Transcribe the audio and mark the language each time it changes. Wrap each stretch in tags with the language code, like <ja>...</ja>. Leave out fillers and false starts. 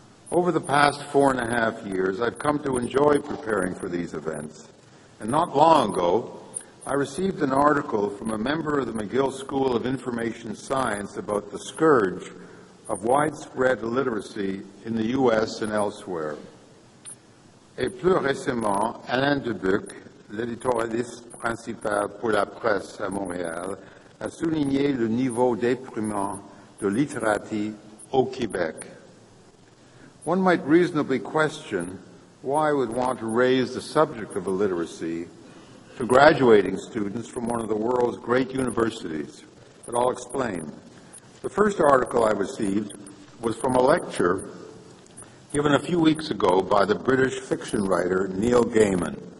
<en>Over the past 4.5 years, I've come to enjoy preparing for these events. And not long ago, I received an article from a member of the McGill School of Information Science about the scourge of widespread illiteracy in the U.S. and elsewhere.</en> <fr>Et plus récemment, Alain Dubuc, l'éditorialiste principal pour la presse à Montréal, a souligné le niveau déprimant de littératie au Québec.</fr> <en>One might reasonably question why I would want to raise the subject of illiteracy to graduating students from one of the world's great universities, but I'll explain. The first article I received was from a lecture given a few weeks ago by the British fiction writer Neil Gaiman.</en>